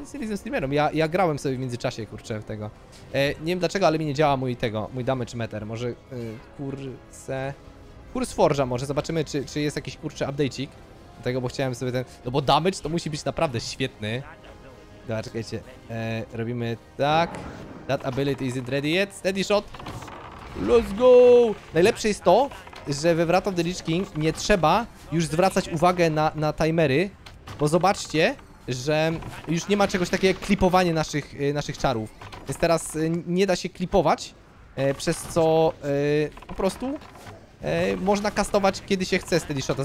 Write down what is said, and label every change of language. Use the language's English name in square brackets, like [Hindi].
[Polish] Nic nie liznął streamerom, ja grałem sobie w międzyczasie, kurczę, tego. Nie wiem dlaczego, ale mi nie działa mój damage meter, może kurce... Kurs Forge'a może, zobaczymy, czy jest jakiś kurczy update'ik do tego, bo chciałem sobie ten... No bo damage to musi być naprawdę świetny. Dobra, czekajcie, robimy tak. [English] That ability isn't ready yet, steady shot! Let's go! [Polish] Najlepsze jest to, że we Wrath of the Lich King nie trzeba już zwracać uwagę na timery, bo zobaczcie, że już nie ma czegoś takiego jak klipowanie naszych czarów. Więc teraz nie da się klipować, przez co po prostu można kastować, kiedy się chce steady shota.